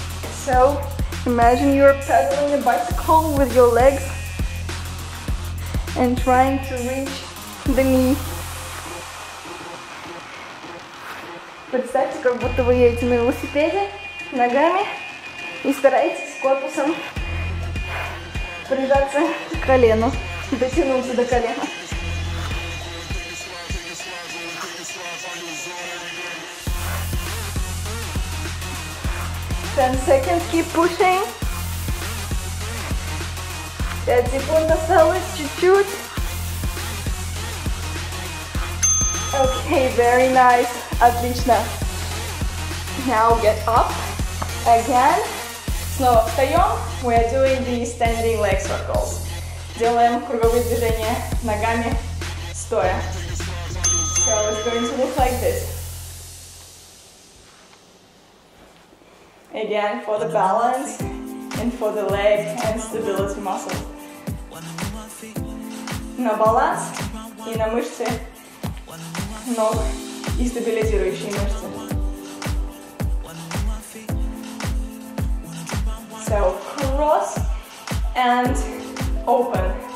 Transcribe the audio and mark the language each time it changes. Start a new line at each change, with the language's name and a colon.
English: So, imagine you're pedaling a bicycle with your legs and trying to reach the knee.
Russian: Представьте, как будто вы едете на велосипеде ногами и стараетесь корпусом прижаться к колену, дотянуться до колена.
English: Ten seconds, keep pushing.
Russian: 5 секунд осталось, чуть-чуть.
English: Okay, very nice.
Russian: Отлично.
English: Now get up again.
Russian: Снова встаем.
English: We are doing the standing leg circles.
Russian: Делаем круговые движения ногами стоя.
English: So it's going to look like this. Again, for the balance and for the leg and stability muscle.
Russian: На баланс и на мышцы ног и стабилизирующие мышцы.
English: So, cross and open.